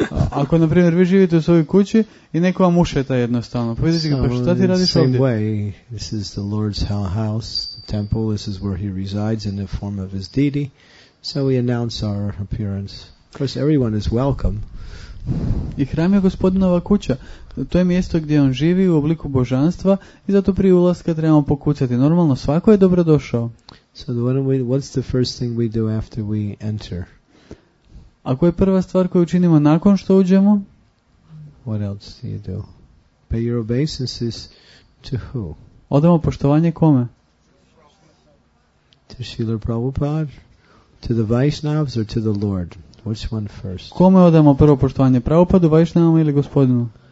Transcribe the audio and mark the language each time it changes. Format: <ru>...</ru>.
<hr>Ako na primjer vi živite u svojoj kući i neko vam ušeta jednostavno, povedite ga, pa šta ti radiš ovdje?</hr> <en>In the same way, this is the Lord's house, the temple. This is where he resides in the form of his deity. So we announce our appearance. Of course, everyone is welcome.</en> <hr>I hram je gospodinova kuća. To je mjesto gdje on živi u obliku božanstva i zato prije ulaska trebamo pokucati. Normalno, svako je dobrodošao.</hr> <en>So what's the first thing we do after we enter?</en> <hr>Ako je prva stvar koju učinimo nakon što uđemo?</hr> <en>What else do you do? Pay your obeisances to who?</en> <hr>Odamo poštovanje kome?</hr> <en>To Srila Prabhupada? To the Vaishnavas or to the Lord? Which one first?</en> <hr>Kome odamo prvo poštovanje, Prabhupadu, Vaishnavama ili gospodinu?</hr>